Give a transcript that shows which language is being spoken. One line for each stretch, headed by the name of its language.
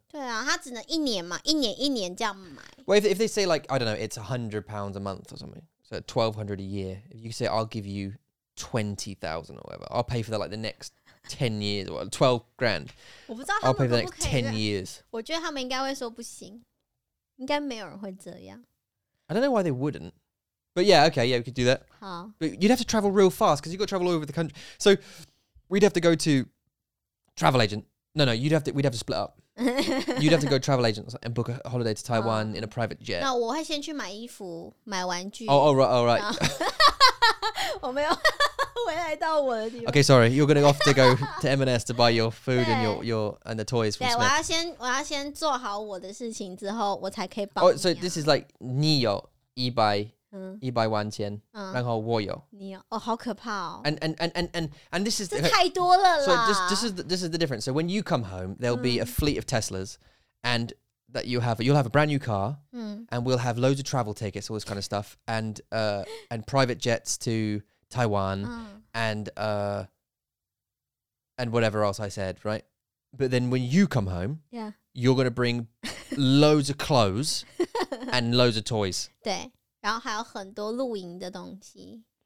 Chinese: 对啊，它只能一年嘛，一年一年这样买。
English: Well, if they say like, I don't know, it's £100 a month or something, so £1,200 a year, if you say, I'll give you £20,000 or whatever, I'll pay for that like the next... 10 years or 12 grand. I'll pay for the next 10 years. I think they might say no. Maybe no one would do that. I don't know why they wouldn't. But yeah, okay, yeah, we could do that. But you'd have to travel real fast because you've got to travel all over the country. So we'd have to go to travel agent. No, we'd have to split up. You'd have to go travel agent and book a holiday to Taiwan in a private jet. No, I would first go buy clothes, buy toys. Oh, right. I don't have...
Chinese: 回来到我的地方。
English: Okay, sorry, you're gonna off to go to M&S to buy your food and your and the toys for Smith.
Chinese: 对，我要先做好我的事情之后，我才可以帮你。
English: Oh, so this is like
Chinese: 你有一百万千，然后我有你有哦，好可怕哦。
English: And this is
Chinese: 这太多了啦。
English: So this is the difference. So when you come home, there'll be a fleet of Teslas, and that you'll have a brand new car, and we'll have loads of travel tickets, all this kind of stuff, and private jets to Taiwan and whatever else I said, right? But then when you come home, you're going to bring loads of clothes and loads of toys.
Chinese: 对，然后还有很多露营的东西。